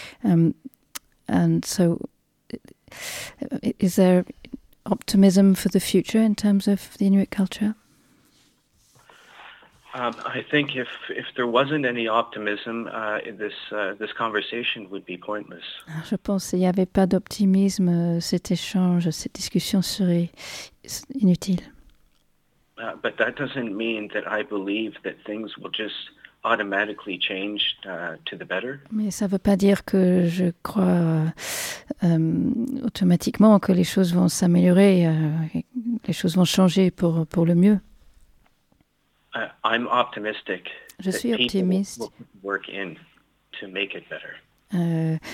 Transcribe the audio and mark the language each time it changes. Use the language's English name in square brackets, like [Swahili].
[English] And so is there optimism for the future in terms of the Inuit culture? I think if there wasn't any optimism, this conversation would be pointless. [French] Je pense qu'il n'y avait pas d'optimisme, cet échange, cette discussion serait inutile. [English] But that doesn't mean that I believe that things will just automatically change to the better. [French] Mais ça ne veut pas dire que je crois automatiquement que les choses vont s'améliorer, les choses vont changer pour le mieux. [English] I'm optimistic. [French] Je suis optimiste. [English] People work in to make it better.